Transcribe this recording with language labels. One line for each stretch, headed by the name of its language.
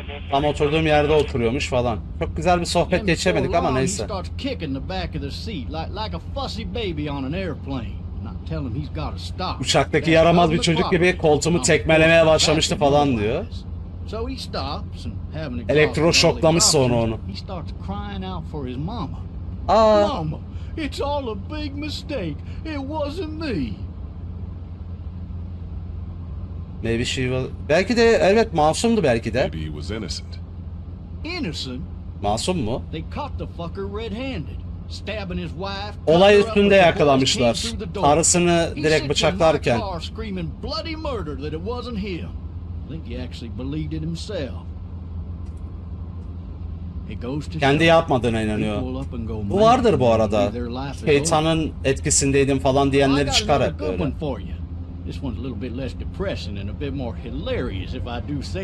Turkish: Tam oturduğum yerde oturuyormuş falan. Çok güzel bir sohbet geçemedik ama neyse.
English: He starts kicking the back of the seat like a fussy baby on an airplane. Not tell him he's got to stop.
Turkish: Uçaktaki yaramaz bir çocuk gibi koltuğumu tekmelemeye başlamıştı falan diyor.
English: So he stops and having a
Turkish: elektro şoklamış sonra onu.
English: He starts crying out for his mama. Aa. Mama, it's all a big mistake. It wasn't me. Maybe she was...
Turkish: Belki de evet, masumdu belki de.
English: Maybe he was innocent. Innocent?
Turkish: Masum mu?
English: They caught the fucker red-handed, stabbing his wife.
Turkish: Olay üstünde yakalamışlar. Karısını direkt bıçaklarken.
English: He said to my car screaming bloody murder that it wasn't him. I think he actually believed it himself.
Turkish: Kendi yapmadığına inanıyor. Bu vardır bu arada. Peyton'ın etkisindeydim falan diyenleri çıkar hep böyle.
English: This one's a little bit less depressing and a bit more hilarious if I do say